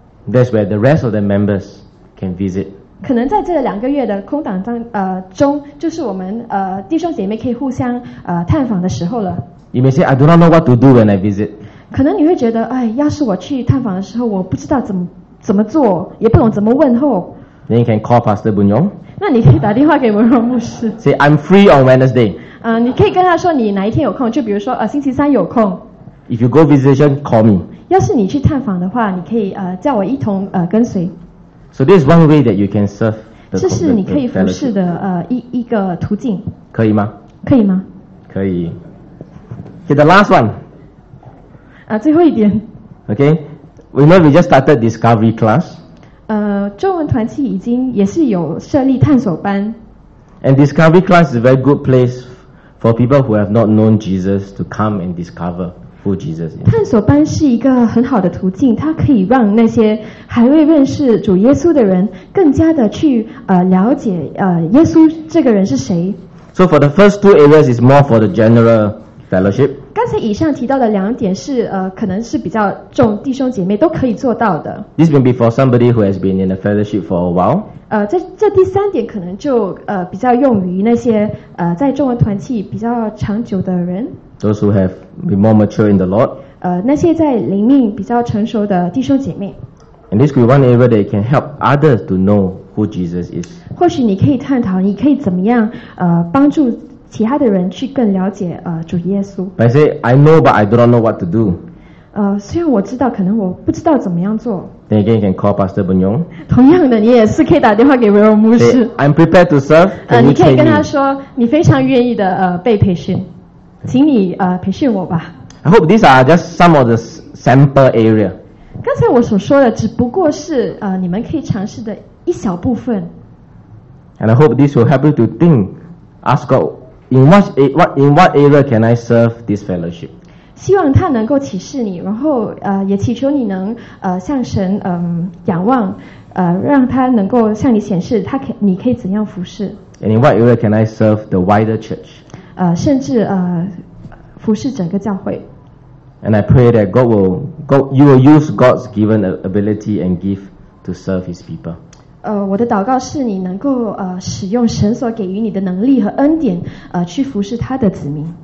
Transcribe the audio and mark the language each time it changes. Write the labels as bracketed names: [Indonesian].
[English] That's where the rest of the members can visit. [Chinese] 可能在这两个月的空档中，就是我们弟兄姐妹可以互相探访的时候了。 [English] You may say, I do not know what to do when I visit. [Chinese] 可能你会觉得，哎，要是我去探访的时候，我不知道怎么做，也不懂怎么问候。 [English] Then you can call Pastor Bunyong. [Chinese] 那你可以打电话给文荣牧师。 [English] Say, I'm free on Wednesday. [Chinese] 你可以跟他说你哪一天有空，就比如说星期三有空。 [English] If you go visitation, call me. [Chinese] 要是你去探访的话，你可以叫我一同跟随。 [English] So this is one way that you can serve. [Chinese] 这是你可以服侍的一个途径。可以吗？可以吗？可以。 [English] Okay, the last one. [Chinese] 最后一点。 [English] Okay, we know we just started discovery class. [Chinese] 中文团契已经也是有设立探索班。 [English] And discovery class is a very good place for people who have not known Jesus to come and discover who Jesus is. [Chinese] 探索班是一个很好的途径，它可以让那些还未认识主耶稣的人更加的去了解耶稣这个人是谁。 [English] So for the first two areas is more for the general fellowship. [Chinese] 刚才以上提到的两点是可能是比较重弟兄姐妹都可以做到的。 [English] This may be for somebody who has been in a fellowship for a while. [Chinese] 这第三点可能就比较用于那些在中文团契比较长久的人。 [English] Those who have been more mature in the Lord. [Chinese] 那些在灵命比较成熟的弟兄姐妹。 [English] And this could be one area that can help others to know who Jesus is. [Chinese] 或许你可以探讨，你可以怎么样帮助其他的人去更了解主耶稣。 [English] But I say I know, but I do not know what to do. [Chinese] 虽然我知道，可能我不知道怎么样做。 [English] Then again, you can call Pastor Ben Yong. [Chinese] 同样的，你也是可以打电话给维荣牧师。 [English] Say, I'm prepared to serve. Can you train me? [Chinese] 你可以跟他说，你非常愿意的被培训，请你培训我吧。 [English] I hope these are just some of the sample area. [Chinese] 刚才我所说的只不过是你们可以尝试的一小部分。 [English] And I hope this will help you to think, ask God. In what area can I serve this fellowship? [Chinese] 希望他能够启示你，然后也祈求你能向神仰望，让他能够向你显示他你可以怎样服侍。 [English] And in what area can I serve the wider church? [Chinese] 甚至服侍整个教会。 [English] And I pray that you will use God's given ability and gift to serve His people. [Chinese] 我的祷告是你能够使用神所给予你的能力和恩典去服侍他的子民。